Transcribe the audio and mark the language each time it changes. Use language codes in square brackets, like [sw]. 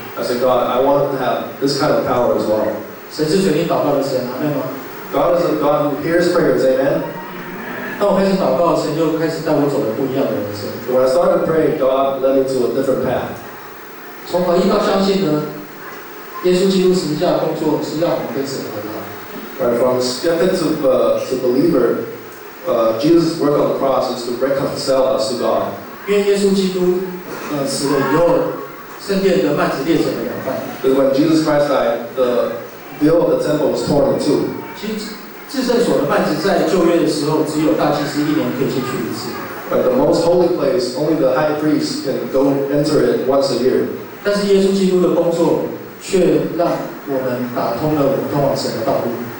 [en] I said God, I want to have this kind of power as well. [zh] 神是垂听祷告的神，阿门吗 [en] ？God is a God who hears prayers, amen. [zh] 当我开始祷告，神就开始带我走了不一样的人生。 [en] So、when I started praying, God led me to a different path. [zh] 从怀疑到相信呢，耶稣基督十字架的工作是让我们跟神合的。 [en] Right, from the skeptic to believer, Jesus' work on the cross is to reconcile us to God. [zh] 因为耶稣基督死了以后，圣殿的幔子裂成了两半。 [en] But when Jesus Christ died, the veil of the temple was torn in two. [zh] 其实至圣所的幔子在旧约的时候，只有大祭司一年可以进去一次。 [en] But the most holy place, only the high priest can go enter it once a year. [zh] 但是耶稣基督的工作却让我们打通了我们通往神的道路。